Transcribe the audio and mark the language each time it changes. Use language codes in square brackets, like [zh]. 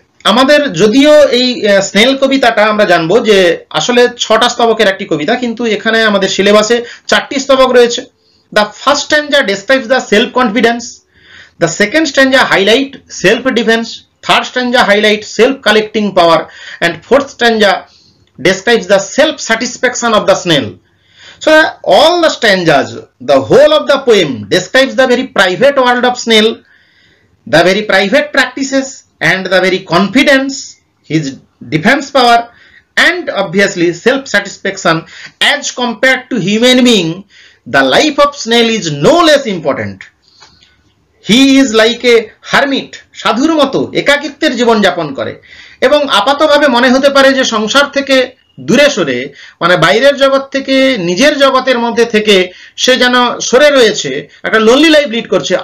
[bn] আমাদের যদিও এই স্নেল কবিতাটা আমরা জানবো যে আসলে ছটা স্তবকের একটি কবিতা, কিন্তু এখানে আমাদের সিলেবাসে চারটি স্তবক রয়েছে। [en] The first stanza describes the self confidence, the second stanza highlight self defence, third stanza highlight self collecting power, and fourth stanza describes the self satisfaction of the snail. So all the stanzas, the whole of the poem describes the very private world of snail, the very private practices and the very confidence, his defense power, and obviously self-satisfaction as compared to human being, the life of snail is no less important. He is like a hermit, [bn] সাধুর মতো একাকিত্বের জীবন যাপন করে এবং আপাতভাবে মনে হতে পারে যে সংসার থেকে দূরে সরে, মানে বাইরের জগৎ থেকে নিজের জগতের মধ্যে থেকে সে যেন সরে রয়েছে, একটা লোনলি লাইফ লিড করছে।